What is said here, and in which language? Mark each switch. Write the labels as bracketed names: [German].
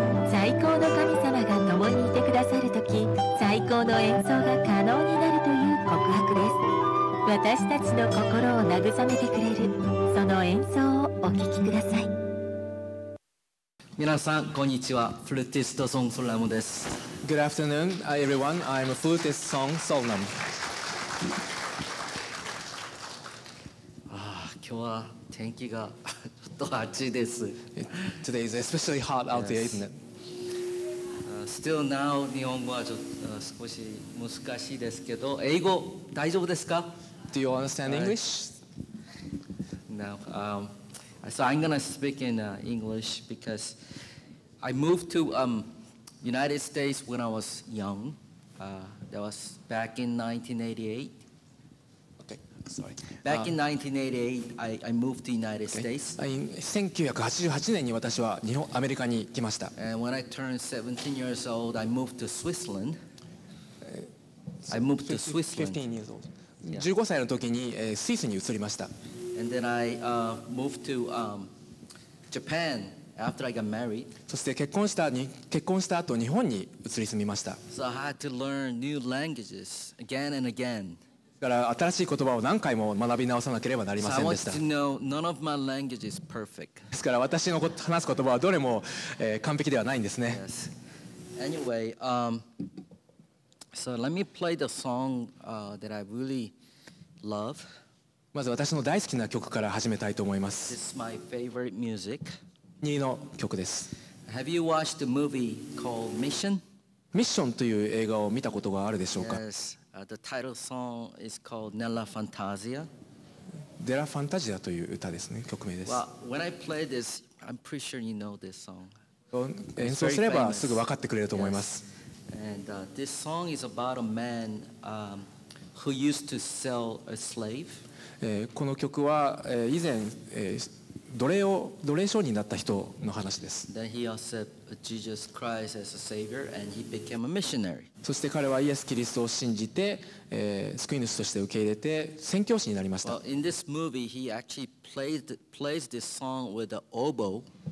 [Japanese] 最高の神様が共にいてくださるとき、最高の演奏が可能になるという告白です。私たちの心を慰めてくれるその演奏をお聞きください。皆さんこんにちは、フルーティストソン・ソルナムです。 [English] Good afternoon everyone, I'm a flutist Song Solnam. [Japanese] 今日は天気がちょっと暑いです。 [English] Today is especially hot out there, isn't it? Still now [Japanese] 日本語はちょっと少し難しいですけど、英語大丈夫ですか？ [English] Do you understand English? No, so I'm going to speak in English because I moved to United States when I was young. That was back in 1988. Okay, sorry. Back in 1988, I moved to United States. [Japanese] In 1988年に私は日本、アメリカに来ました。 [English] And when I turned 17 years old, I moved to Switzerland. I moved to Switzerland. 15 years old. [Japanese] 15歳の時にスイスに移りました。 [English] And then I moved to Japan after I got married. [Japanese] そして結婚した後日本に移り住みました。 [English] So I had to learn new languages again and again. [Japanese] だから新しい言葉を何回も学び直さなければなりませんでした。 [English] So I wanted to know none of my language is perfect. [Japanese] ですから私の話す言葉はどれも完璧ではないんですね。 [English] Yes. Anyway, so let me play the song that I really love. [Japanese] まず私の大好きな曲から始めたいと思います。 [English] This is my favorite music. [Japanese] ニーの曲です。 [English] Have you watched the movie called Mission? [Japanese] ミッションという映画を見たことがあるでしょうか。 [English] Yes. The title song is called Nella Fantasia. [Japanese] デラ・ファンタジアという歌ですね、曲名です。 [English] Well, when I play this, I'm pretty sure you know this song. [Japanese] 演奏すればすぐ分かってくれると思います。 [English] Yes. And this song is about a man who used to sell a slave. [Japanese] この曲は以前奴隷商人だった人の話です。 [English] Then he accepted Jesus Christ as a savior and he became a missionary. [Japanese] そして彼はイエス・キリストを信じて救い主として受け入れて宣教師になりました。 [English] Well, in this movie, he actually plays this song with an oboe.